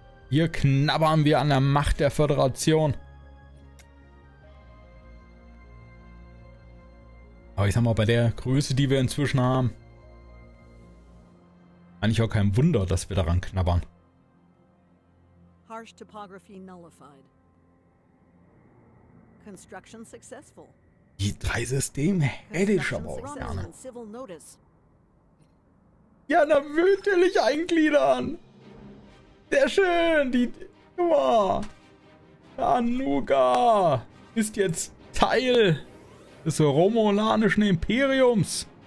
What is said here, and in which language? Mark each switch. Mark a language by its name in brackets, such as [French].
[German] Hier knabbern wir an der Macht der Föderation. Aber ich sag mal, bei der Größe, die wir inzwischen haben, eigentlich auch kein Wunder, dass wir daran knabbern. [English] Harsh topography nullified. Construction successful. [German] Die drei Systeme hätte ich aber auch gerne. Ja, na, willentlich eingliedern. Sehr schön, die... Guck mal. Tanuga ist jetzt Teil des Romulanischen Imperiums.